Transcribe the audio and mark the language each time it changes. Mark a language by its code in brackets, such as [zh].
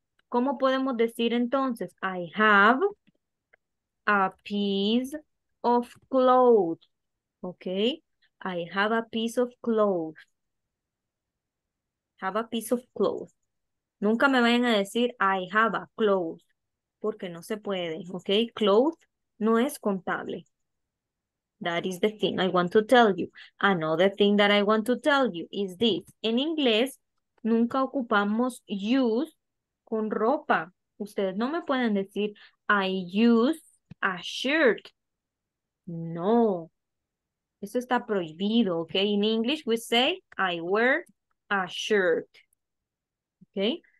[es] ¿Cómo podemos decir entonces? [en] I have a piece of cloth. ¿Ok? I have a piece of cloth. have a piece of clothes. [es] Nunca me vayan a decir, [en] I have a clothes, [es] porque no se puede, ¿ok? Clothes no es contable. [en] That is the thing I want to tell you. Another thing that I want to tell you is this. [es] En inglés, nunca ocupamos use con ropa. Ustedes no me pueden decir, [en] I use a shirt. [es] No. Eso está prohibido, ¿ok? [en] In English, we say, I wear a shirt. ¿Ok?